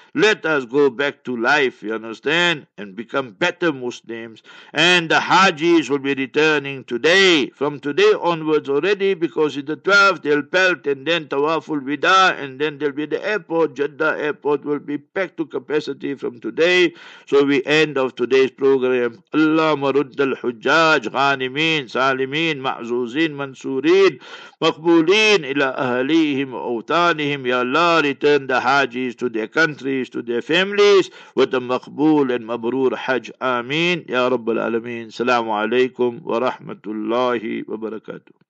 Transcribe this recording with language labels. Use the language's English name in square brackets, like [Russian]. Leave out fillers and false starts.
[English] Let us go back to life, you understand, and become better Muslims. And the Hajis will be returning today, from today onwards already, because it's the 12th, they'll pelt, and then Tawaful Wida, and then there'll be the airport. Jeddah airport will be packed to capacity from today. So we end of today's program. [Arabic] اللهم رد الحجاج غانمين سالمين معزوزين منصورين مقبولين إلى أهليهم وأوطانهم. يا الله, [English] return the Hajis to their countries, to their families, with a مقبول and مبرور حج. [Arabic] آمين يا رب العالمين. السلام عليكم ورحمة الله وبركاته.